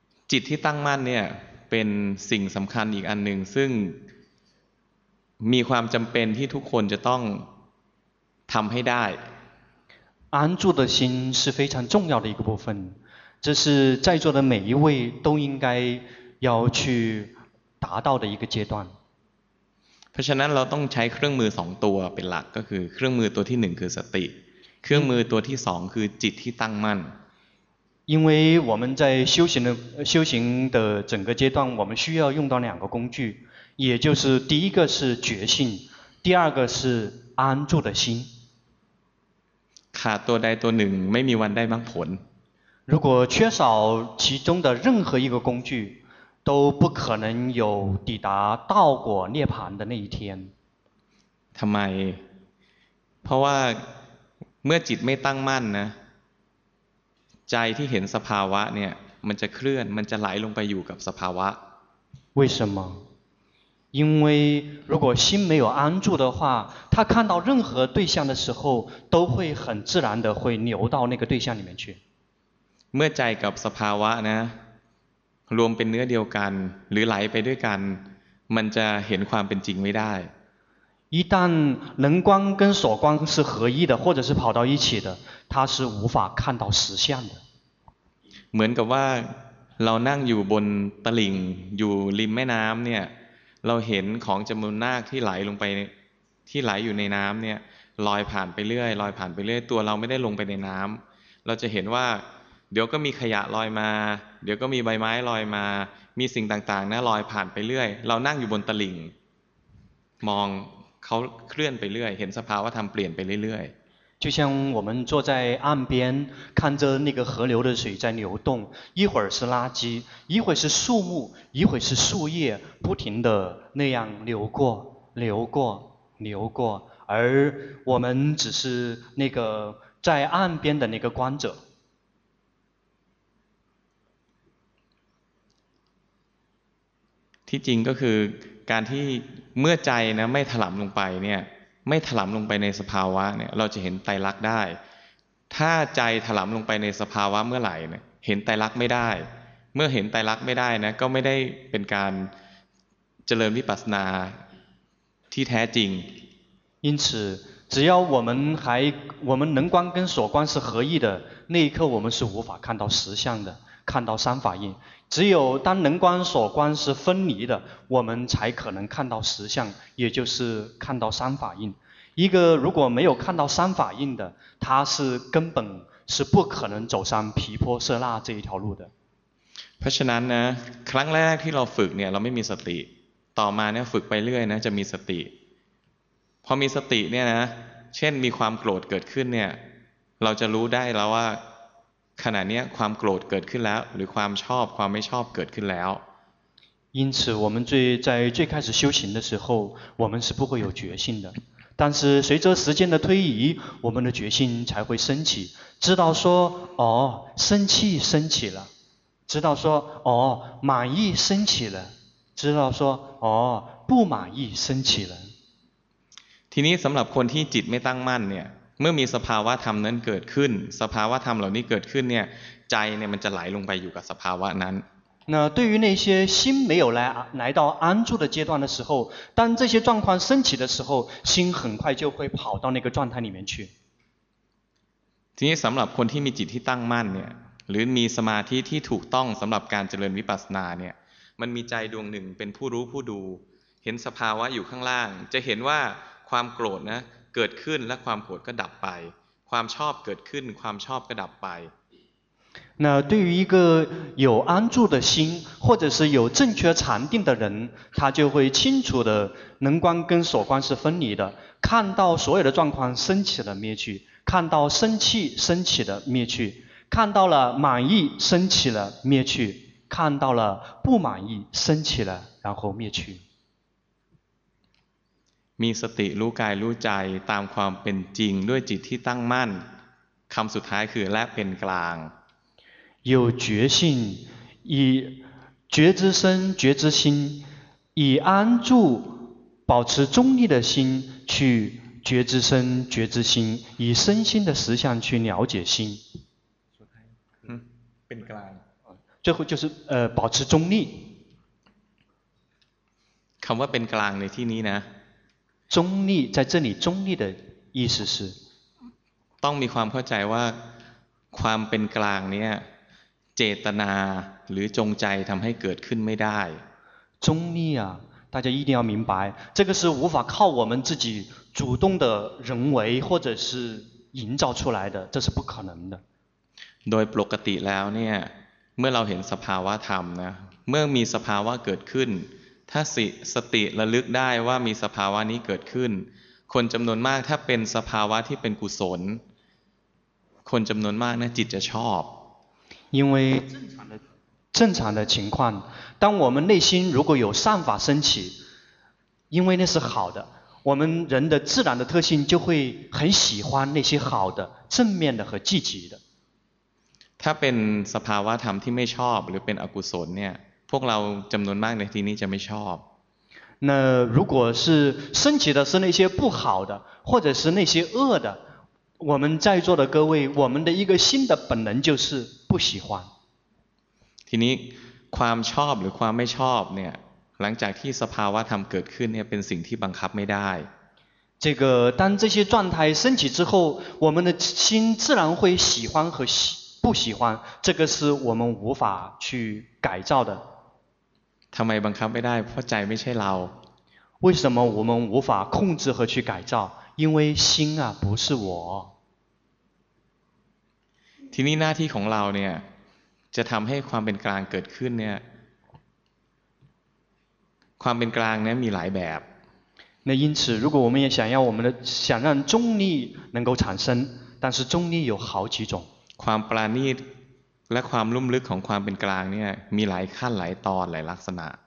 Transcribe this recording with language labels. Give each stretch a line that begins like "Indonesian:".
Thai: จิตที่ตั้งมั่นเนี่ยเป็นสิ่งสำคัญอีกอันหนึ่งซึ่งมีความจำเป็นที่ทุกคนจะต้องทำให้ได้
Chinese: 安住的心是非常重要的一个部分这是在座的每一位都应该要去达到的一个阶段
Thai: เพราะฉะนั้นเราต้องใช้เครื่องมือ2ตัวเป็นหลักก็คือเครื่องมือตัวที่1คือสติเครื่องมือตัวที่2คือจิตที่ตั้งมั่น
Chinese: 因为我们在修行的整个阶段我们需要用到两个工具也就是第一个是觉性第二个是安住的心
Thai: ขาดตัวใดตัวหนึ่งไม่มีวันได้มรรคผล
Chinese: 如果缺少其中的任何一个工具都不可能有抵达道果涅槃的那一天
Thai: ทำไมเพราะว่าเมื่อจิตไม่ตั้งมั่นนะใจที่เห็นสภาวะเนี่ยมันจะเคลื่อนมันจะไหลลงไปอยู่กับสภาวะ
Chinese: 为什么因为如果心没有安住的话他看到任何对象的时候都会很自然的会流到那个对象里面去
Thai: เมื่อใจกับสภาวะนะรวมเป็นเนื้อเดียวกันหรือไหลไปด้วยกันมันจะเห็นความเป็นจริงไม่ได้
Chinese: 一旦能观跟所观是合一的或者是跑到一起的它是无法看到实相的
Thai: เหมือนกับว่าเรานั่งอยู่บนตลิ่งอยู่ริมแม่น้ำเนี่ยเราเห็นของจำนวนมากที่ไหลลงไปที่ไหลอยู่ในน้ำเนี่ยลอยผ่านไปเรื่อยลอยผ่านไปเรื่อยตัวเราไม่ได้ลงไปในน้ำเราจะเห็นว่าเดี๋ยวก็มีขยะลอยมาเดี๋ยวก็มีใบไม้ลอยมามีสิ่งต่างๆนะลอยผ่านไปเรื่อยเรานั่งอยู่บนตลิ่งมองเขาเคลื่อนไปเรื่อยเห็นสภาวะธรรมเปลี่ยนไปเรื่อย
Chinese: 就像我们坐在岸边看着那个河流的水在流动，一会儿是垃圾，一会儿是树木，一会儿是树叶，不停地那样流过流过流过，而我们只是那个在岸边的那个观者。
Thai: ที่จริงก็คือการที่เมื่อใจนะไม่ถลำลงไปเนี่ยไม่ถลำลงไปในสภาวะเนี่ยเราจะเห็นไตรลักษณ์ได้ถ้าใจถลำลงไปในสภาวะเมื่อไหร่เนี่ยเห็นไตรลักษณ์ไม่ได้เมื่อเห็นไตรลักษณ์ไม่ได้นะก็ไม่ได้เป็นการเจริญวิปัสสนาที่แท้จริง
Chinese: 因此只要我们能观跟所观是合一的那一刻我们是无法看到实相的看到三法印只有当能观所观是分离的我们才可能看到实相也就是看到三法印一个如果没有看到三法印的他是根本是不可能走上毗婆舍那这一条路的
Thai: เพราะฉะนั้นนะครั้งแรกที่เราฝึกเนี่ยเราไม่มีสติต่อมาเนี่ยฝึกไปเรื่อยนะจะมีสติพอมีสติเนี่ยนะเช่นมีความโกรธเกิดขึ้นเนี่ยเราจะรู้ได้แล้วว่าขณะนี้ความโกรธเกิดขึ้นแล้วหรือความชอบความไม่ชอบเกิดขึ้นแล้ว
Chinese: 因此我们在最开始修行的时候我们是不会有觉性的但是随着时间的推移我们的觉性才会升起知道说哦生气升起了知道说哦满意升起了知道说哦不满意升起了
Thai: ทีนี้สำหรับคนที่จิตไม่ตั้งมั่นเนี่ยเมื่อมีสภาวะธรรมนั้นเกิดขึ้นสภาวะธรรมเหล่านี้เกิดขึ้นเนี่ยใจเนี่ยมันจะไหลลงไปอยู่กับสภาวะนั้น
Chinese: 那对于那些心没有来到安住的阶段的时候当这些状况升起的时候心很快就会跑到那个状态里面去
Thai: ทีนี้สำหรับคนที่มีจิตที่ตั้งมั่นเนี่ยหรือมีสมาธิที่ถูกต้องสำหรับการเจริญวิปัสสนาเนี่ยมันมีใจดวงหนึ่งเป็นผู้รู้ผู้ดูเห็นสภาวะอยู่ข้างล่างจะเห็นว่าความโกรธนะเกิดขึ้นและความโกรธก็ดับไปความชอบเกิดขึ้นความชอบก็ดับไป
Chinese: 那对于一个有安住的心或者是有正确禅定的人他就会清楚的能观跟所观是分离的看到所有的状况升起了灭去看到生气升起了灭去看到了满意升起了灭去看到了不满意升起了然后灭去
Thai: มีสติรู้กายรู้ใจตามความเป็นจริงด้วยจิตที่ตั้งมั่นคำสุดท้ายคือและเป็นกลาง
Chinese: 有觉性以觉知身觉知心以安住保持中立的心去觉知身觉知心以身心的实相去了解心
Thai: เป็นกลาง
Chinese: 最后就是保持中立
Thai: คำว่าเป็นกลางในที่นี้นะ
Chinese: 中立在这里中立的意思是
Thai: ต้องมีความเข้าใจว่าความเป็นกลางเนี่ยเจตนาหรือจงใจทำให้เกิดขึ้นไม่ได้
Chinese: 中立啊大家一定要明白这个是无法靠我们自己主动的人为或者是营造出来的这是不可能的
Thai: โดยปกติแล้วเนี่ยเมื่อเราเห็นสภาวะธรรมนะเมื่อมีสภาวะเกิดขึ้นถ้าสติระลึกได้ว่ามีสภาวะนี้เกิดขึ้นคนจำนวนมากถ้าเป็นสภาวะที่เป็นกุศลคนจำนวนมากนะจิตจะชอบ
Chinese: 因为正常的情况当我们内心如果有善法升起因为那是好的我们人的自然的特性就会很喜欢那些好的正面的和积极的
Thai: ถ้าเป็นสภาวะธรรมที่ไม่ชอบหรือเป็นอกุศลเนี่ยพวกเราจำนวนมากในที่นี้จะไม่ชอบ
Chinese: 那如果是升起的是那些不好的或者是那些恶的我们在座的各位我们的一个心的本能就是不喜欢
Thai: ทีนี้ความชอบหรือความไม่ชอบเนี่ยหลังจากที่สภาวะธรรมเกิดขึ้นเนี่ยเป็นสิ่งที่บังคับไม่ได้
Chinese: 这个当这些状态升起之后我们的心自然会喜欢和不喜欢这个是我们无法去改造的
Thai: ทำไมบังคับไม่ได้เพราะใจไม่ใช่เรา
Chinese: 为什么我们无法控制和去改造因为心啊不是我
Thai: ทีนี้หน้าที่ของเราเนี่ยจะทำให้ความเป็นกลางเกิดขึ้นเนี่ยความเป็นกลางเนี่ยมีหลายแบบ
Chinese: 那因此如果我们也想要我们的想让中立能够产生但是中立有好几种
Thai: ความปราณีตและความลุ่มลึกของความเป็นกลางเนี่ยมีหลายขั้นหลายตอนหลายลักษณะ